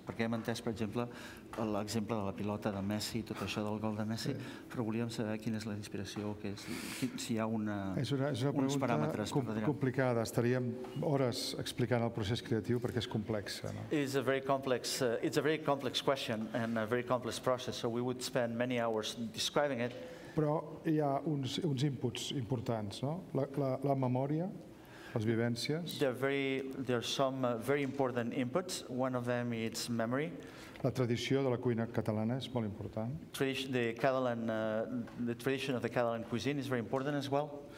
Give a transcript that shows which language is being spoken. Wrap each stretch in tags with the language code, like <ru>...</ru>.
<ca>Perquè hem entès, per exemple, l'exemple de la pilota de Messi, tot això del gol de Messi, però volíem saber quina és la inspiració, si hi ha uns paràmetres. És una pregunta complicada. Estaríem hores explicant el procés creatiu perquè és complex.</ca> <en>It's a very complex question and a very complex process, so we would spend many hours describing it.</en> <ca>Però hi ha uns inputs importants, no? La memòria, les vivències.</ca> <en>There are some very important inputs. One of them is memory.</en> <ca>La tradició de la cuina catalana és molt important.</ca> <en>The tradition of the Catalan cuisine is very important as well.</en>